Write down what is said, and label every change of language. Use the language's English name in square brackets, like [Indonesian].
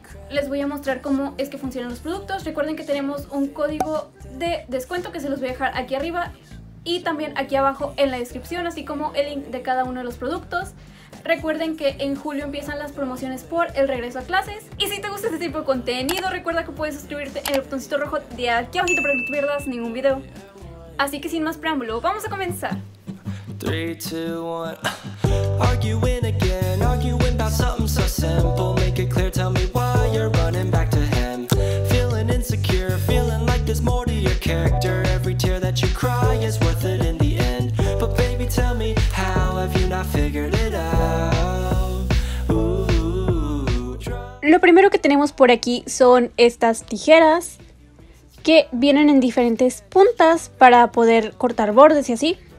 [Spanish] Les voy a mostrar cómo es que funcionan los productos. Recuerden que tenemos un código de descuento que se los voy a dejar aquí arriba y también aquí abajo en la descripción, así como el link de cada uno de los productos. Recuerden que en julio empiezan las promociones por el regreso a clases. Y si te gusta este tipo de contenido, recuerda que puedes suscribirte en el botoncito rojo de aquí abajito para que no te pierdas ningún video. Así que sin más preámbulo, ¡vamos a comenzar! [English] 3, 2, 1 Arguing again, arguing about something so simple. Make it clear, tell me why you're running back to him. Feeling insecure, feeling like there's more to your character. Every tear that you cry is worth it in the end. But baby, tell me, how have you not figured it out? Ooh. [Spanish] Lo primero que tenemos por aquí son estas tijeras que vienen en diferentes puntas para poder cortar bordes y así.